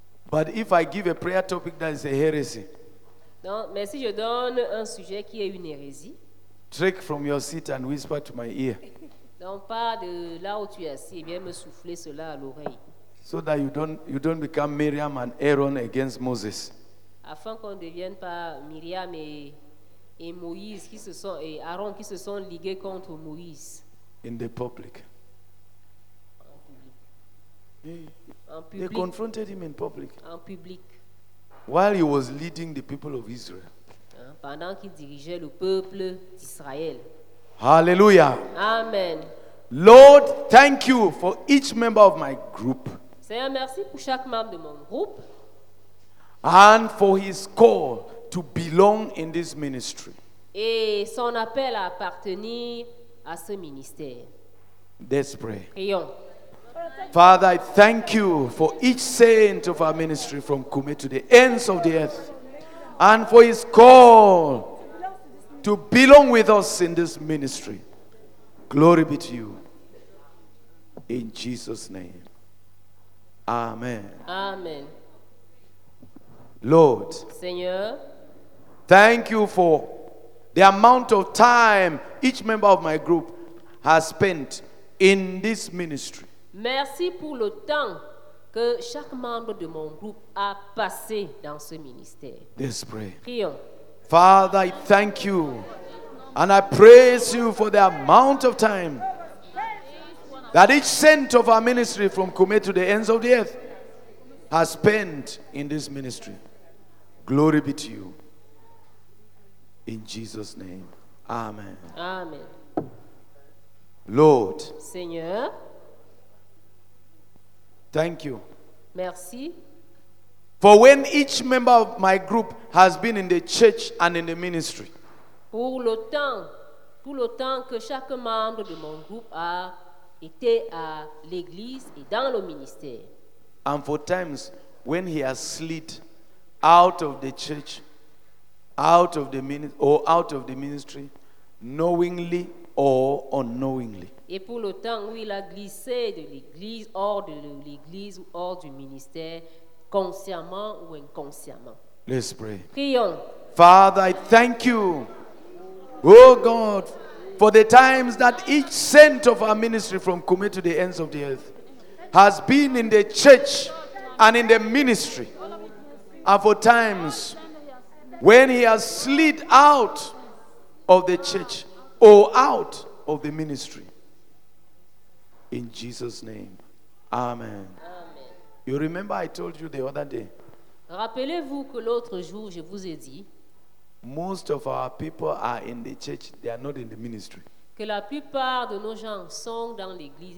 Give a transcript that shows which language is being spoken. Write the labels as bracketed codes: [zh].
[en] But if I give a prayer topic that is a heresy, [fr] non, mais si je donne un sujet qui est une hérésie, [en] trek from your seat and whisper to my ear. [fr] Donc pas de là où tu es assis et viens me souffler cela à l'oreille. [en] So that you don't become Miriam and Aaron against Moses. [fr] Afin qu'on ne devienne pas Miriam et Moïse qui se sont et Aaron qui se sont ligués contre Moïse. [en] In the public. [fr] En public. [en] Public. They confronted him in public. [fr] En public. [en] While he was leading the people of Israel. [fr] Pendant qu'il dirigeait le peuple d'Israël. [en] Hallelujah. Amen. Lord, thank you for each member of my group. [fr] Seigneur, merci pour chaque membre de mon groupe. [en] And for his call to belong in this ministry. [fr] Et son appel à appartenir à ce ministère. [en] Let's pray. [fr] Prions. [en] Father, I thank you for each saint of our ministry from Kume to the ends of the earth. And for his call to belong with us in this ministry. Glory be to you. In Jesus' name. Amen. Amen. Lord. [fr] Seigneur. [en] Thank you for the amount of time each member of my group has spent in this ministry. [fr] Merci pour le temps que chaque membre de mon groupe a passé dans ce ministère. [en] Let's pray. [fr] Prions. [en] Father, I thank you and I praise you for the amount of time that each saint of our ministry from Kume to the ends of the earth has spent in this ministry. Glory be to you. In Jesus' name. Amen. Amen. Lord. [fr] Seigneur. [en] Thank you. [fr] Merci. [en] For when each member of my group has been in the church and in the ministry. [fr] Pour le temps que chaque membre de mon groupe a été à l'église et dans le ministère. [en] And for times when he has slid out of the church, out of the ministry, or out of the ministry, knowingly or unknowingly. [fr] Et pour le temps où il a glissé de l'église, hors de l'église ou hors du ministère, consciemment ou inconsciemment. [en] Let's pray. [fr] Prions. [en] Father, I thank you, oh God, for the times that each saint of our ministry from Kume to the ends of the earth has been in the church and in the ministry. And for times when he has slid out of the church or out of the ministry. In Jesus' name. Amen. Amen. You remember I told you the other day. [fr] Rappelez-vous que l'autre jour, je vous ai dit. [en] Most of our people are in the church. They are not in the ministry. [fr] Que la plupart de nos gens sont dans l'église.